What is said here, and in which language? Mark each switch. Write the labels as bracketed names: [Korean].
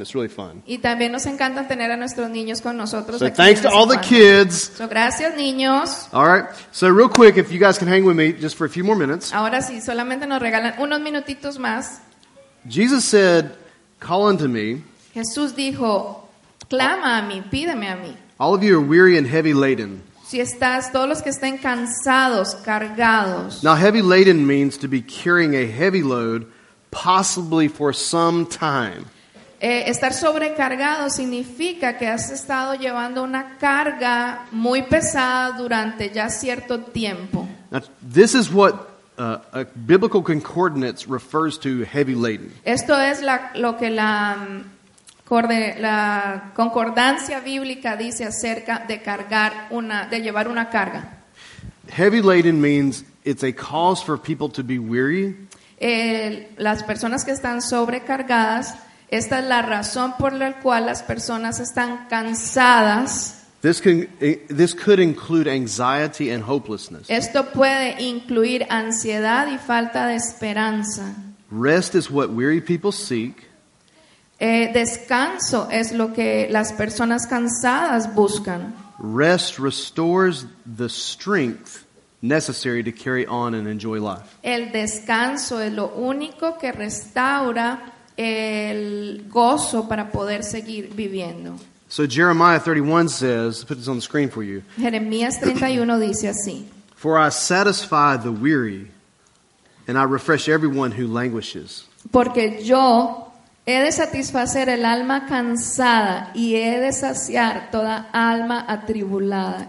[English] It's really fun. [Spanish] Y también nos encanta tener a nuestros niños con nosotros. [English] So thanks to all the kids. [Spanish] So gracias, niños. [English] All right. So real quick, if you guys can hang with me just for a few more minutes. [Spanish] Ahora sí, solamente nos regalan unos minutitos más. [English] Jesus said, call unto me. [Spanish] Jesús dijo, clama a mí, pídeme a mí. [English] All of you are weary and heavy laden. [Spanish] Si estás, todos los que estén cansados, cargados. [English] Now, heavy laden means to be carrying a heavy load, possibly for some time. [Spanish] Estar sobrecargado significa que has estado llevando una carga muy pesada durante ya cierto tiempo. [English] Now, this is what a biblical concordance refers to heavy laden. [Spanish] Esto es lo que la la concordancia bíblica dice acerca de cargar una, de llevar una carga. [English] Heavy laden means it's a cause for people to be weary. [Spanish] Las personas que están sobrecargadas, esta es la razón por la cual las personas están cansadas. [English] This could include anxiety and hopelessness. [Spanish] Esto puede incluir ansiedad y falta de esperanza. [English] Rest is what weary people seek. [Spanish] Descanso es lo que las personas cansadas buscan. [English] Rest restores the strength necessary to carry on and enjoy life. [Spanish] El descanso es lo único que restaura el gozo para poder seguir viviendo. [English] So Jeremiah 31 says, put this on the screen for you. [Spanish] Jeremías 31 dice así. [English] For I satisfy the weary and I refresh everyone who languishes. [Spanish] Porque yo he de satisfacer el alma cansada y he de saciar toda alma atribulada.